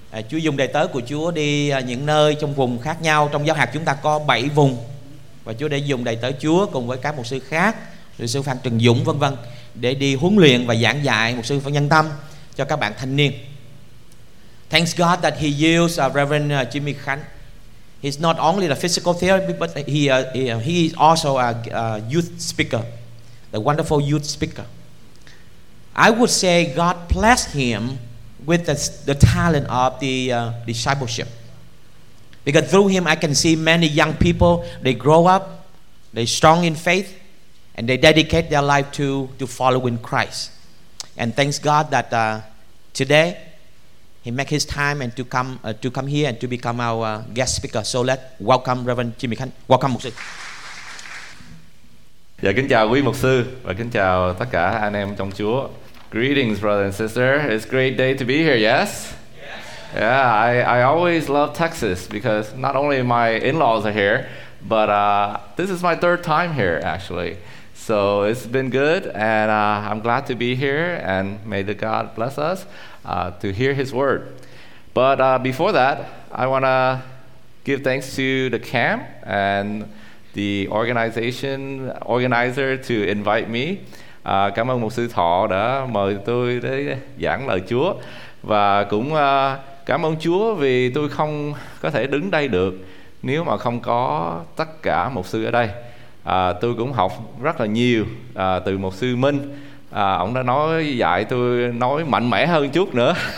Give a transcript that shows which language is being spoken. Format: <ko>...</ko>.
<vi>Chúa dùng đầy tớ của Chúa đi những nơi trong vùng khác nhau. Trong giáo hạt chúng ta có 7 vùng, và Chúa đã dùng đầy tớ Chúa cùng với các mục sư khác, mục sư Phan Trần Dũng v.v. để đi huấn luyện và giảng dạy một sư phụ nhân tâm cho các bạn thanh niên.</vi> <en>Thanks God that he used Reverend Jimmy Khan. He's not only a physical therapist, but he is also a youth speaker, the wonderful youth speaker. I would say God blessed him with the talent of the discipleship. Because through him, I can see many young people, they grow up, they're strong in faith, and they dedicate their life to following Christ. And thanks God that today, he make his time and to come here and to become our guest speaker. So let's welcome Reverend Jimmy Khan. Welcome, Mục sư.</en> <vi>Dạ, kính chào quý Mục sư và kính chào tất cả anh em trong Chúa.</vi> <en>Greetings, brother and sister. It's a great day to be here, yes? Yes. Yeah, I always love Texas because not only my in-laws are here, but this is my third time here, actually. So it's been good, and I'm glad to be here, and may the God bless us to hear his word. But before that, I want to give thanks to the camp and the organizer to invite me.</en> <vi>Cảm ơn Mục sư Thọ đã mời tôi đến giảng lời Chúa. Và cũng cảm ơn Chúa vì tôi không có thể đứng đây được nếu mà không có tất cả mục sư ở đây. Tôi cũng học rất là nhiều từ mục sư Minh. Ông đã nói dạy tôi nói mạnh mẽ hơn chút nữa.</vi>